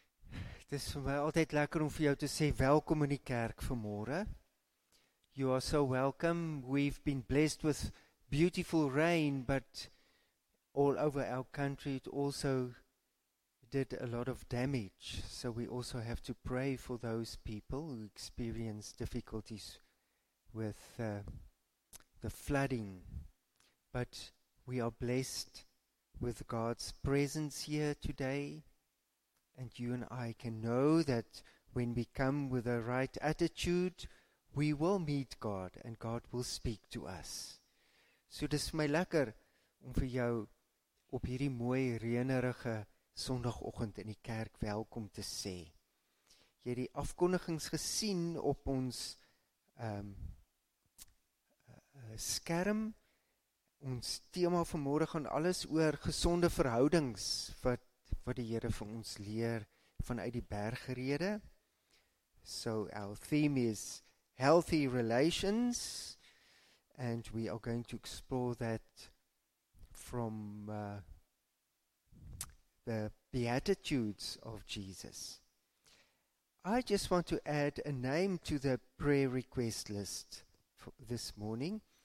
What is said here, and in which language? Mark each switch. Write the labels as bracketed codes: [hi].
[af] Het is voor mij altijd lekker om voor jou te zeggen welkom in die kerk vanmorgen. [en] You are so welcome. We've been blessed with beautiful rain, but all over our country it also did a lot of damage. So we also have to pray for those people who experience difficulties with the flooding. But we are blessed with God's presence here today. And you and I can know that when we come with the right attitude, we will meet God and God will speak to us. [af] So dis my lekker om vir jou op hierdie mooi reënerige sonoggend in die kerk welkom te sê. Jy het die afkondigings gesien op ons skerm. Ons tema vanmôre gaan alles oor gesonde verhoudings wat die Here vir ons leer vanuit die bergrede. [en] So our theme is healthy relations, and we are going to explore that from the Beatitudes of Jesus. I just want to add a name to the prayer request list for this morning.